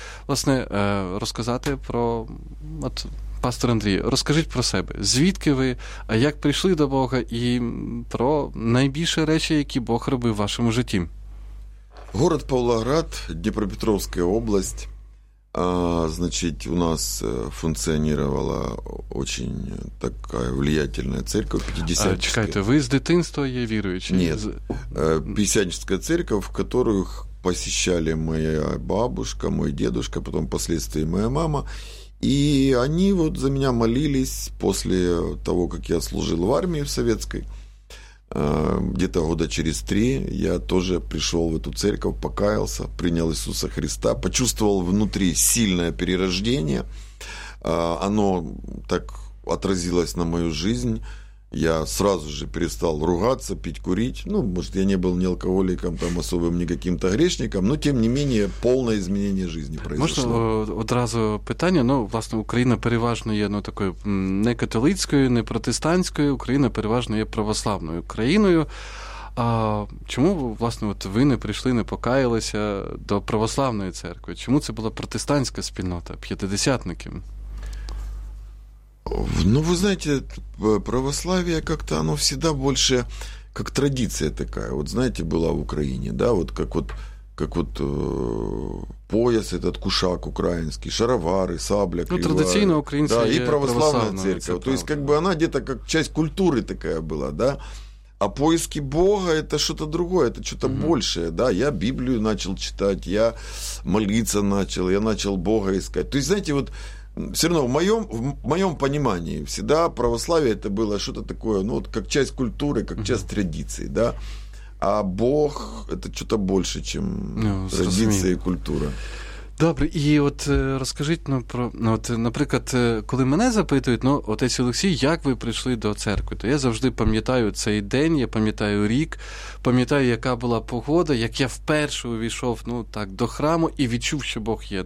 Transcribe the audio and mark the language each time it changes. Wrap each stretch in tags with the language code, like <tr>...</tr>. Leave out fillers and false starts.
<uk>Власне, розказати про... От, пастор Андрій, розкажіть про себе. Звідки ви, як прийшли до Бога і про найбільші речі, які Бог робив в вашому житті? Город Павлоград, Дніпропетровська область.</uk> <ru>Значит, у нас функционировала очень такая влиятельная церковь, пятидесятническая. Чекайте, вы с детинства є верующий? Нет, пятидесятническая церковь, в которую посещали моя бабушка, мой дедушка, потом впоследствии моя мама. И они вот за меня молились после того, как я служил в армии в советской. Где-то года через три я тоже пришел в эту церковь, покаялся, принял Иисуса Христа, почувствовал внутри сильное перерождение. Оно так отразилось на мою жизнь. Я сразу же перестал ругаться, пить, курить. Ну, может, я не был ни алкоголиком, там особым, ни каким-то грешником, но, тем не менее, полное изменение жизни произошло. Можно одразу питание?</ru> <uk>Ну, власне, Украина переважно є, ну, такою не католицькою, не протестантською. Украина переважно є православною країною. А чому, власне, от ви не прийшли, не покаялися до православної церкви? Чому це була протестантська спільнота, п'ятидесятники? Ну, ви знаєте, православ'я як-то, воно завжди більше, як традиція така. От, знаєте, була в Україні,</uk> <ru>да, от як от, как вот пояс этот, кушак украинский, шаровары, сабля кривая. Ну, традиционно украинская, да, и православная церковь. То есть, как бы она где-то как часть культуры такая была, да. А поиски Бога – это что-то другое, это что-то большее, да. Я Библию начал читать, я молиться начал, я начал Бога искать. То есть, знаете, вот все равно в моем понимании всегда православие – это было что-то такое, ну, вот как часть культуры, как часть традиции, да. А Бог – это что-то больше, чем традиция и культура.</ru> <uk>Добре, і от розкажіть, ну, про, ну, от, наприклад, коли мене запитують, ну, отець Олексій, як ви прийшли до церкви, то я завжди пам'ятаю цей день, я пам'ятаю рік, пам'ятаю, яка була погода, як я вперше увійшов, ну, так, до храму і відчув, що Бог є.</uk>